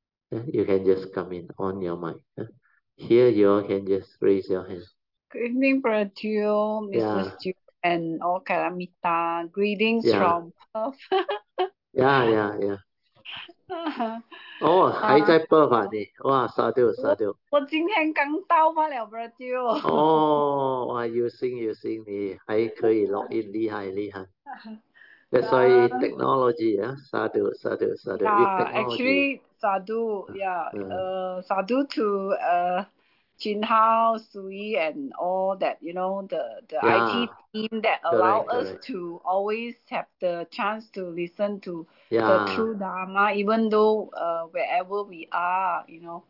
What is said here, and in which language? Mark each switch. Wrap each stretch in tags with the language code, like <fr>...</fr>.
<en>You can just come in on your mic. Here, you all can just raise your hand. Good evening, Brother Teo, Mr. Yeah. Stu, and all Kalamita. Greetings yeah. from Perth. Yeah.</en> <zh>Oh, 还在 Perth 啊你? 哇,杀掉,杀掉. 我今天刚到罢了,Brother</zh> <en>Teo.</en> <zh>Oh, 哇,有心,有心,你 还可以 log in, 厉害,厉害.</zh> <en>That's why technology, sadhu, sadhu, sadhu. Yeah, actually, sadhu, yeah. Sadhu to Jin Hao, Sui, and all that, you know, the IT team that allow correct, us correct. to always have the chance to listen to the true Dharma, even though wherever we are, you know.</en>